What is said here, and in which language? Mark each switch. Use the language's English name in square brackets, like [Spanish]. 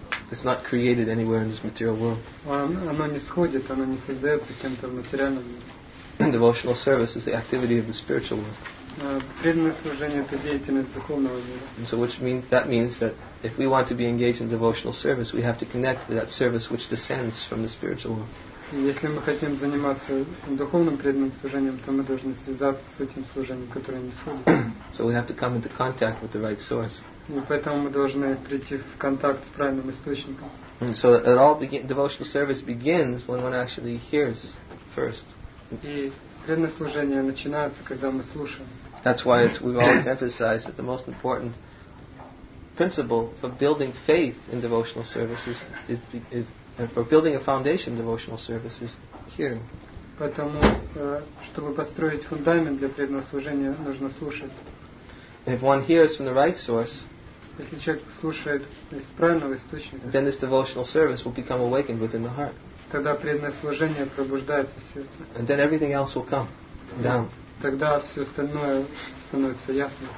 [English] It's not created anywhere in this material world. [Russian] Оно не сходит. Оно не создается кем-то в материальном мире. [English] Devotional service is the activity of the spiritual world. [Russian] преданное служение – это деятельность духовного мира. [English] So which means that means that if we want to be engaged in devotional service, we have to connect to that service which descends from the spiritual world. [Russian] Если мы хотим заниматься духовным преданным служением, то мы должны связаться с этим служением, которое не сходит. [English] So we have to come into contact with the right source. [Russian] И поэтому мы должны прийти в контакт с правильным источником. [English] So it all devotional service begins when one actually hears first. [Russian] И преданное служение начинается, когда мы слушаем. [English] That's why we always emphasize that the most important principle for building faith in devotional services is for building a foundation devotional service is hearing. [Russian] Поэтому, чтобы построить фундамент для преданного служения, нужно слушать. [English] If one hears from the right source, [Russian] если человек слушает из правильного источника, [English] then this devotional service will become awakened within the heart. [Russian] Тогда преданное служение пробуждается в сердце. [English] And then everything else will come down. [Russian] Тогда все остальное становится ясно.